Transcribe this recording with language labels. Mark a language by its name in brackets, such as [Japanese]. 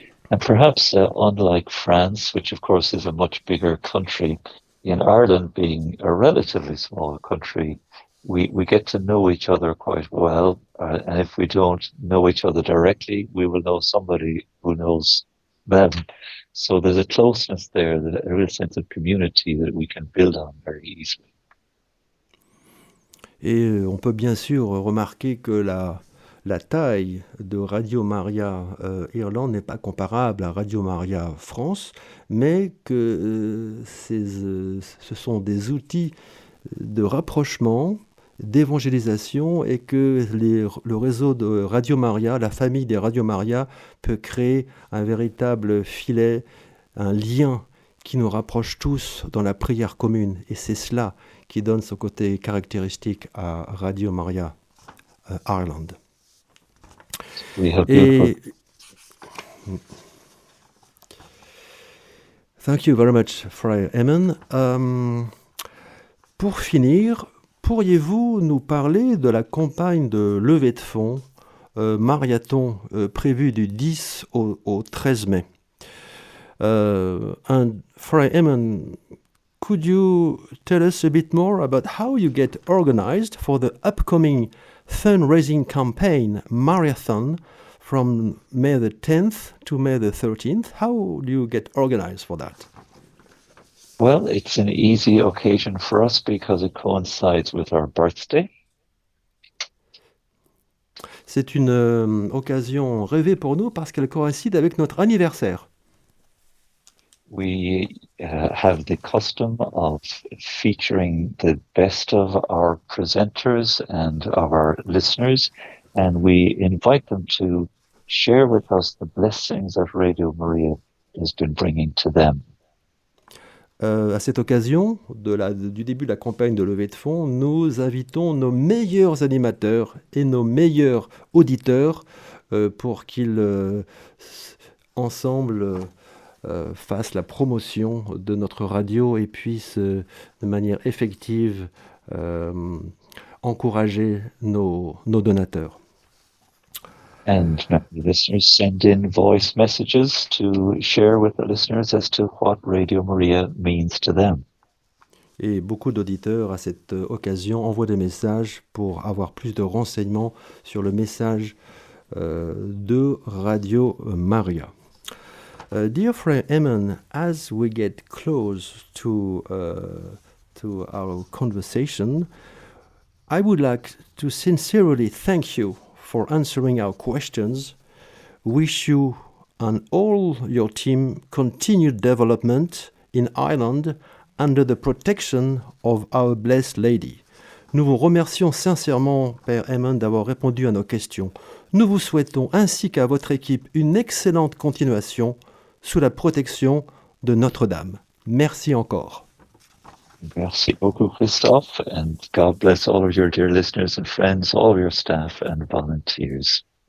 [English] And perhaps, unlike France, which of course is a much bigger country, in Ireland, being a relatively small country, we get to know each other quite well. And if we don't know each other directly, we will know somebody who knows them. So there's a closeness there, that a real sense of community that we can build on very easily. [French] Et on peut bien sûr remarquer que la taille de Radio Maria Irlande n'est pas comparable à Radio Maria France, mais que ce sont des outils de rapprochement, d'évangélisation, et que le réseau de Radio Maria, la famille des Radio Maria, peut créer un véritable filet, un lien qui nous rapproche tous dans la prière commune. Et c'est cela qui donne son côté caractéristique à Radio Maria Ireland. [English] We have beautiful. Et thank you very much, Friar Eamon. [French] Pour finir, pourriez-vous nous parler de la campagne de levée de fonds marathon prévue du 10 au 13 mai? [English] And Friar Eamon, could you tell us a bit more about how you get organized for the upcoming fundraising campaign marathon from May the 10th to May the 13th? How do you get organized for that? Well, it's an easy occasion for us because it coincides with our birthday. [French] C'est une occasion rêvée pour nous parce qu'elle coïncide avec notre anniversaire. [English] We have the custom of featuring the best of our presenters and of our listeners, and we invite them to share with us the blessings that Radio Maria has been bringing to them. [French] À cette occasion, du début de la campagne de levée de fonds, nous invitons nos meilleurs animateurs et nos meilleurs auditeurs pour qu'ils ensemble fassent la promotion de notre radio et puissent de manière effective encourager nos donateurs. [English] And now the listeners send in voice messages to share with the listeners as to what Radio Maria means to them. [French] Et beaucoup d'auditeurs à cette occasion envoient des messages pour avoir plus de renseignements sur le message de Radio Maria. [English] Dear friend Eamon, as we get close to our conversation, I would like to sincerely thank you for answering our questions, wish you and all your team continued development in Ireland under the protection of our Blessed Lady. [French] Nous vous remercions sincèrement, Père Eamon, d'avoir répondu à nos questions. Nous vous souhaitons ainsi qu'à votre équipe une excellente continuation sous la protection de Notre-Dame. Merci encore. Merci beaucoup, [English] Christophe, and God bless all of your dear listeners and friends, all of your staff and volunteers.